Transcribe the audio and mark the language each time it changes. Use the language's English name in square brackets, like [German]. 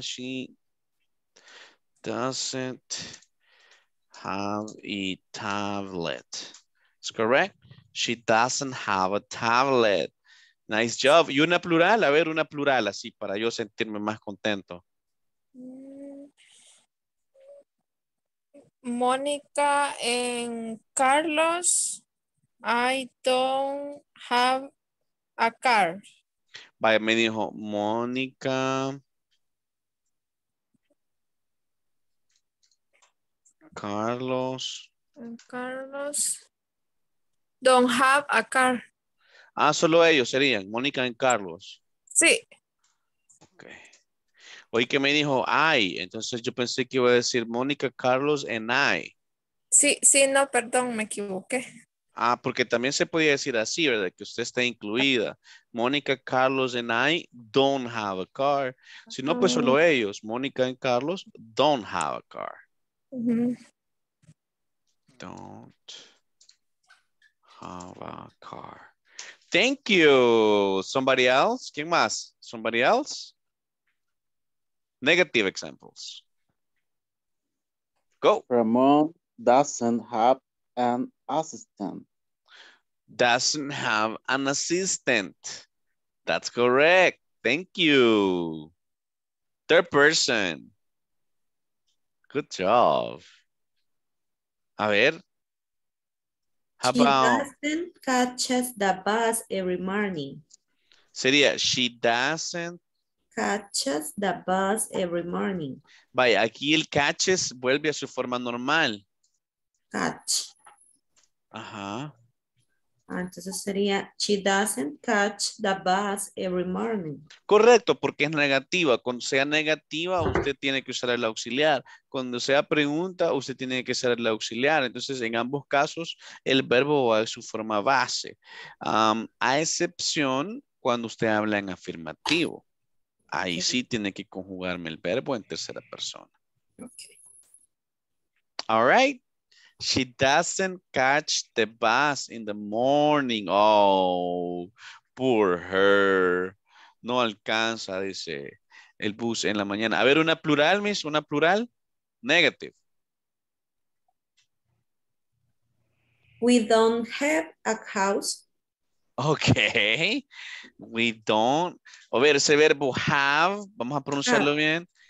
[English] She doesn't have a tablet. Is correct? She doesn't have a tablet. Nice job. [Spanish] ¿Y una plural? A ver, una plural así para yo sentirme más contento. [English] Mónica and Carlos, I don't have a car. [Spanish] Vaya, me dijo Mónica. Carlos. [English] Carlos. Don't have a car. [Spanish] Ah, solo ellos serían, Mónica y Carlos. Sí. Ok. Oí que me dijo I, entonces yo pensé que iba a decir [English] Mónica, Carlos and I. [Spanish] Sí, no, perdón, me equivoqué. Ah, porque también se podía decir así, ¿verdad? Que usted está incluida. [English] Mónica, Carlos and I don't have a car. [Spanish] Si no, pues solo ellos, Mónica y Carlos [English] don't have a car. Don't have a car. Thank you. Somebody else? [Spanish] ¿Quién más? [English] Somebody else? Negative examples. Go. Ramon doesn't have an assistant. Doesn't have an assistant. That's correct. Thank you. Third person. Good job. [Spanish] A ver. [English] How about... She doesn't catches the bus every morning. [Spanish] Sería, [English] she doesn't... Catches the bus every morning. [Spanish] Vaya, aquí el catches vuelve a su forma normal. [English] Catch. [Spanish] Ajá. Entonces sería, [English] she doesn't catch the bus every morning. [Spanish] Correcto, porque es negativa. Cuando sea negativa, usted tiene que usar el auxiliar. Cuando sea pregunta, usted tiene que usar el auxiliar. Entonces, en ambos casos, el verbo va a su forma base. A excepción, cuando usted habla en afirmativo. Ahí okay. Sí tiene que conjugarme el verbo en tercera persona. [English] Okay. All right. She doesn't catch the bus in the morning. Oh, poor her. [Spanish] No alcanza, dice, el bus en la mañana. A ver, una plural, miss, una plural. Negative. [English] We don't have a house. [Spanish] Okay. [English] We don't. [Spanish] A ver, ese verbo have, vamos a pronunciarlo have. Bien.